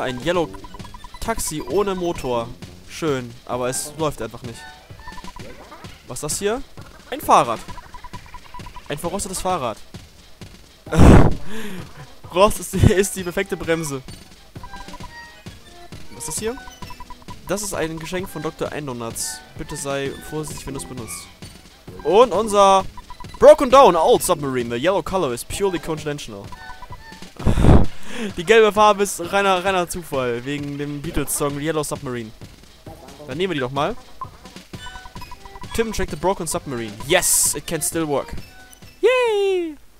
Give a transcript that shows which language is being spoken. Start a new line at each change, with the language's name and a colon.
German: Ein Yellow Taxi ohne Motor. Schön, aber es läuft einfach nicht. Was ist das hier? Ein Fahrrad. Ein verrostetes Fahrrad. Rost ist die perfekte Bremse. Was ist das hier? Das ist ein Geschenk von Dr. Endonuts. Bitte sei vorsichtig, wenn du es benutzt. Und unser Broken Down Old Submarine.
English: The yellow color is purely coincidental.
German: Die gelbe Farbe ist reiner Zufall. Wegen dem Beatles-Song Yellow Submarine. Dann nehmen wir die doch mal.
English: Tim checkt the broken submarine. Yes, it can still work. Yay!